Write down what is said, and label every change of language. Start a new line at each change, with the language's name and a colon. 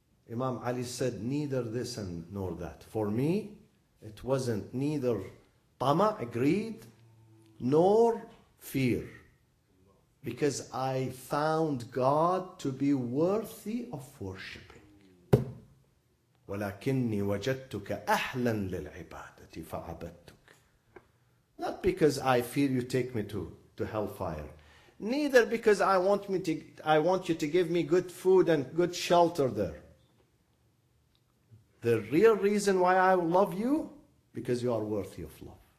English: Imam Ali said, neither this and nor that. For me, it wasn't neither tama, greed, nor fear. Because I found God to be worthy of worship.
Arabic: ولكني وجدتك أهلا للعبادة فعبدتك.
English: Not because I fear you take me to hellfire. Neither because I want you to give me good food and good shelter there. The real reason why I love you, because you are worthy of love.